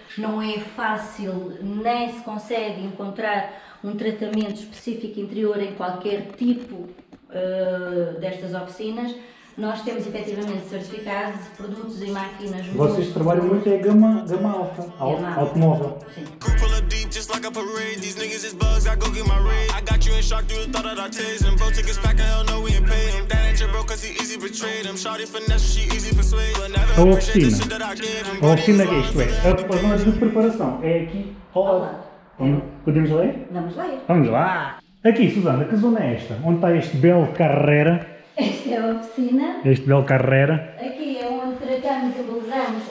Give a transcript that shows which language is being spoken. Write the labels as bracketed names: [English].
[Portuguese] Não é fácil, nem se consegue encontrar um tratamento específico interior em qualquer tipo destas oficinas. Nós temos efetivamente certificados de produtos e máquinas. Vocês trabalham muito em gama alta, automóvel. [English] Just like a parade, these niggas is bugs, I go get my raid. I got you in shock, you thought that I tased him. Bro took his pack, hell no, we ain't paid him. That ain't your bro, cause he easy betrayed him. Shawty finesse, she easy persuade. But never appreciate the shit that I gave him. [Portuguese] A oficina que isto é, a zona de preparação, é aqui. Olá. Podemos ler? Vamos ler. Vamos lá. Aqui, Susana, que zona é esta? Onde está este belo Carrera? Esta é a oficina. Este belo Carrera. Aqui é onde tratamos e embelezamos.